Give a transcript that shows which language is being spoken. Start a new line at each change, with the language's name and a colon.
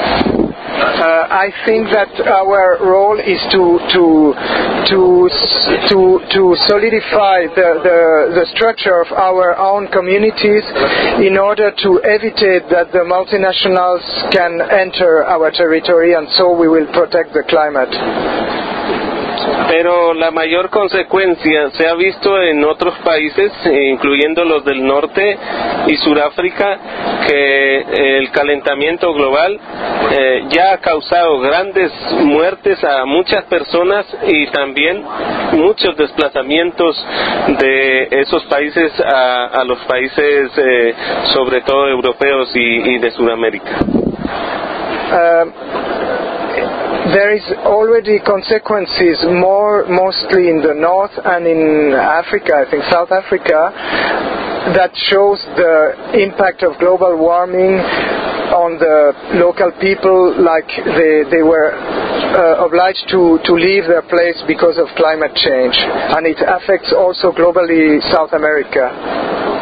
English: I think that our role is to solidify the structure of our own communities in order to evitate that the multinationals can enter our territory, and so we will protect the climate.
Spanish: Pero la mayor consecuencia se ha visto en otros países, incluyendo los del norte y Sudáfrica, que el calentamiento global ya ha causado grandes muertes a muchas personas y también muchos desplazamientos de esos países a los países, sobre todo europeos y de Sudamérica.
English: There is already consequences, mostly in the north and in Africa, I think South Africa, that shows the impact of global warming on the local people, like they were obliged to leave their place because of climate change, and it affects also globally South America.